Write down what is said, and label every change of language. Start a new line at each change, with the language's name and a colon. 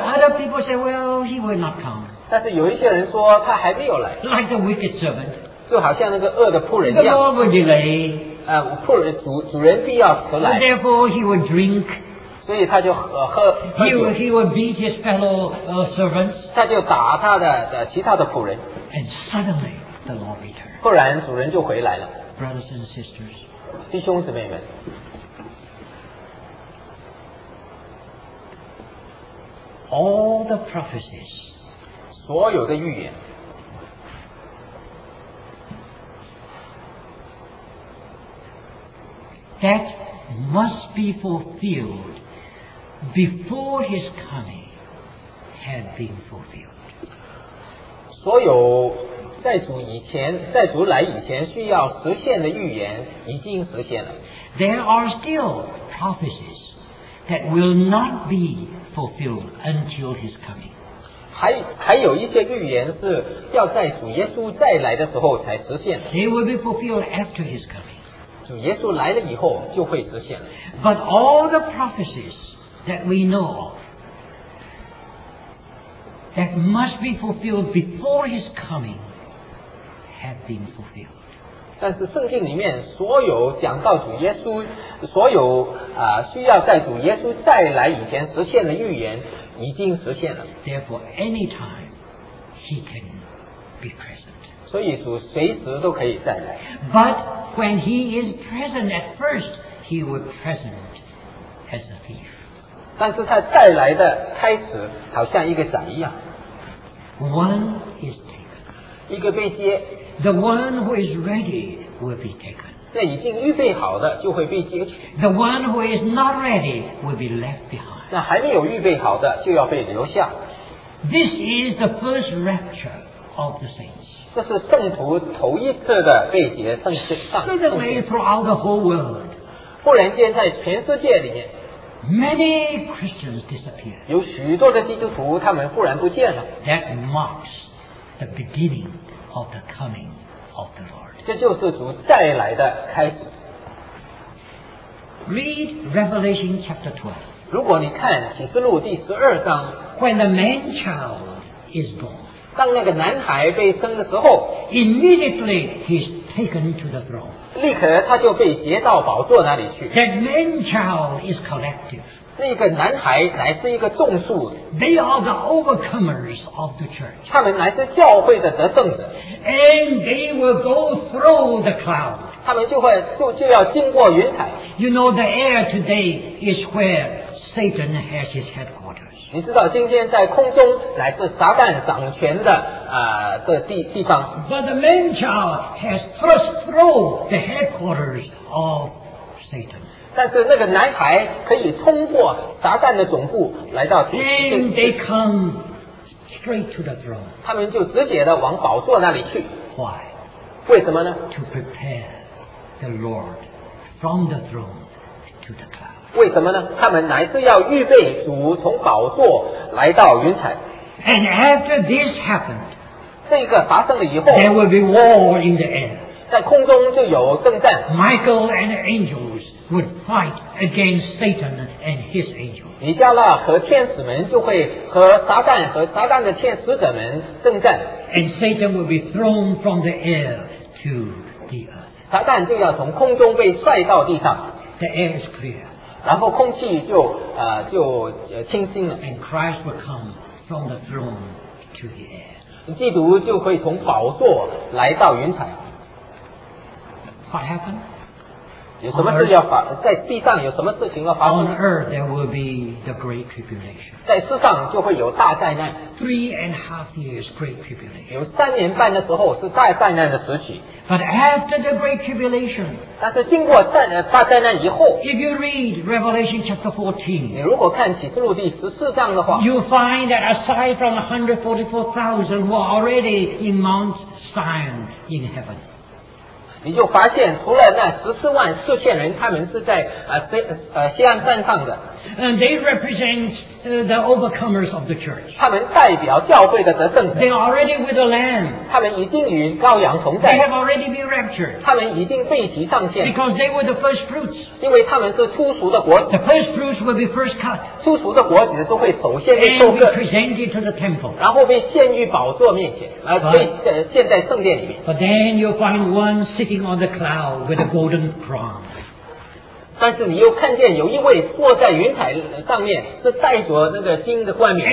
English: But other people say, well, he will not come.
Chinese: 但是有一些人说他还没有来。
English: Like the wicked servant.
Chinese: 就好像那个恶的仆人一样。
English: The Lord will delay.
Chinese: 主人必要迟来。
English: Therefore, he will drink.
Chinese: 所以他就喝
English: he will beat his fellow servants.
Chinese: 他就打他的其他的仆人。
English: And suddenly the Lord returns.
Chinese: 忽然主人就回来了。
English: Brothers and sisters,
Chinese: 弟兄姊妹们。
English: all the prophecies.
Chinese: 所有的预言。
English: That must be fulfilled before his coming had been fulfilled.
Chinese: 所有在主以前，在主来以前需要实现的预言已经实现了。
English: There are still prophecies that will not be fulfilled until his coming.
Chinese: 还有一些预言是要在主耶稣再来的时候才实现的。
English: They will be fulfilled after his coming.
Chinese: 主耶稣来了以后就会实现了。
English: But all the prophecies that we know of that must be fulfilled before his coming have been fulfilled.
Chinese: 但是圣经里面所有讲到主耶稣，所有需要在主耶稣再来以前实现的预言已经实现了。
English: Therefore, anytime he can be present.
Chinese: 所以主随时都可以再来。
English: But when he is present at first, he will present as a thief.
Chinese: 但是他再来的开始好像一个贼一样。
English: One is taken.
Chinese: 一个被接。
English: The one who is ready will be taken.
Chinese: 那已经预备好的就会被接去。
English: The one who is not ready will be left behind.
Chinese: 那还没有预备好的就要被留下。
English: This is the first rapture of the saints.
Chinese: 这是圣徒头一次的被接圣徒上。
English: Suddenly throughout the whole world.
Chinese: 忽然间在全世界里面。
English: Many Christians disappear.
Chinese: 有许多的基督徒他们忽然不见了。
English: That marks the beginning. Of the coming of the Lord.
Chinese: 这就是主再来的开始。
English: Read Revelation chapter 12.
Chinese: 如果你看启示录第十二章。
English: When the man child is born.
Chinese: 当那个男孩被生的时候。
English: Immediately he's taken to the throne.
Chinese: 立刻他就被接到宝座那里去。
English: That man child is collective.
Chinese: 那个男孩乃是一个众数。
English: They are the overcomers of the church.
Chinese: 他们乃是教会的得胜者。
English: And they will go through the cloud.
Chinese: 他们就要经过云彩。
English: You know the air today is where Satan has his headquarters.
Chinese: 你知道今天在空中乃是撒旦掌权的地方。
English: But the man child has thrust through the headquarters of Satan.
Chinese: 但是那个男孩可以通过撒旦的总部来到主。
English: Then they come straight to the throne.
Chinese: 他们就直接的往宝座那里去。
English: Why?
Chinese: 为什么呢
English: ？To prepare the Lord from the throne to the cloud.
Chinese: 为什么呢？他们乃是要预备主从宝座来到云彩。
English: And after this happened,
Chinese: 这个发生了以后
English: ，there will be war in the air.
Chinese: 在空中就有征战。
English: Michael and the angels. Would fight against Satan and his angels.
Chinese: 米迦勒和天使们就会和撒旦和撒旦的天使者们征战。
English: And Satan will be thrown from the air to the earth.
Chinese: 撒旦就要从空中被摔到地上。
English: The air is clear.
Chinese: 然后空气就清新了。
English: And Christ will come from the throne to the air.
Chinese: 基督就会从宝座来到云彩。
English: What happened?
Chinese: 在地上有什么事情要发生
English: On earth there will be the great tribulation.
Chinese: 在世上就会有大灾难
English: Three and a half years great tribulation.
Chinese: 有三年半的时候是大灾难的时期
English: But after the great tribulation.
Chinese: 但是经过大灾难以后
English: If you read Revelation chapter 14.
Chinese: 你如果看启示录第十四章的话
English: You'll find that aside from 144,000 were already in Mount Zion in heaven.
Chinese: 你就发现除了那144,000人他们是在锡安山上的
English: And they represent the overcomers of the church
Chinese: 他们代表教会的得胜者
English: They are already with the Lamb
Chinese: 他们已经与羔羊同在
English: They have already been raptured
Chinese: 他们已经被提上线
English: Because they were the first fruits
Chinese: 因为他们是初熟的果子
English: The first fruits will be first cut
Chinese: 初熟的果子都会首先被收割
English: And be presented to the temple
Chinese: 然后被献于宝座面前献在圣殿里面
English: But then you'll find one sitting on the cloud with a golden crown
Chinese: 但是你又看见有一位坐在云彩上面是戴着那个金的冠冕